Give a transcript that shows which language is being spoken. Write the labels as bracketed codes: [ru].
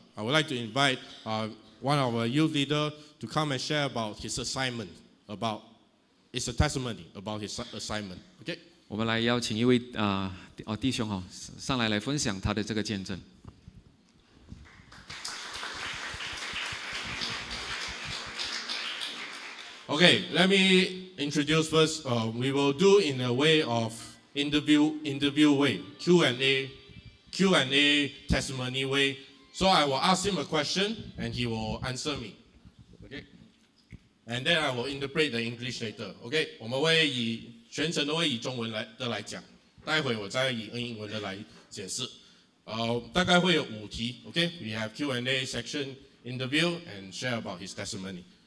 [en] I would like to invite one of our youth leader to come and share about his assignment. About it's a testimony about his assignment. Okay. [zh] 我们来邀请一位弟兄上来分享他的这个见证。 [en] Okay, let me introduce first. We will do in a way of interview way, Q&A testimony way. So I will ask him a question and he will answer me. Okay? And then I will interpret the English later. Okay? [zh] 我们会以全程都会以中文来讲，待会我再以英文的来解释。大概会有五题, okay? [en] We have Q&A section, interview, and share about his testimony.